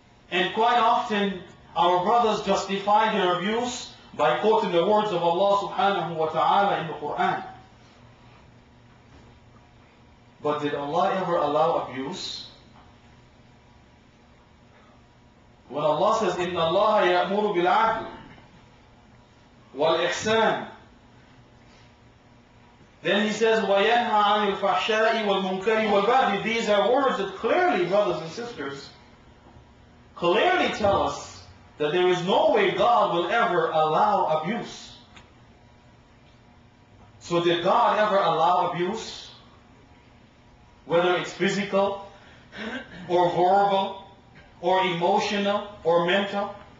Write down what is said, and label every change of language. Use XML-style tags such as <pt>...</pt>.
<en>And quite often, our brothers justify their abuse by quoting the words of Allah subhanahu wa ta'ala in the Quran. But did Allah ever allow abuse? When Allah says,</en> <ar>إِنَّ اللَّهَ يَأْمُرُ بِالْعَدْلِ وَالْإِحْسَانِ,</ar> <en>then He says,</en> <ar>وَيَنْهَى عَنِ الْفَحْشَاءِ وَالْمُنْكَرِ وَالْبَغْيِ.</ar> <en>These are words that clearly, brothers and sisters, clearly tell us that there is no way God will ever allow abuse. So did God ever allow abuse? Whether it's physical, or verbal, or emotional, or mental.</en>